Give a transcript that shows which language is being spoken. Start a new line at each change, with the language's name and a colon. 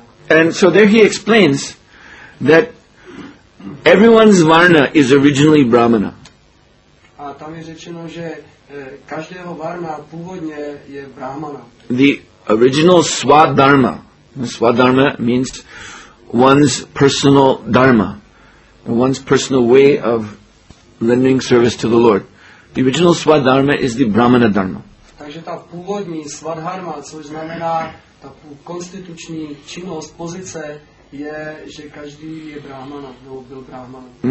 English: And so there he explains that everyone's varna is originally brahmana.
Czech: A tam je řečeno, že každého varna původně je brahmana.
English: The original swadharma. Swadharma means one's personal dharma, one's personal way of rendering service to the Lord. The original swadharma is the brahmana dharma.
Czech: Takže ta původní swadharma, což znamená ta konstituční činnost, pozice je, že každý je brahmana, nebo byl brahmana.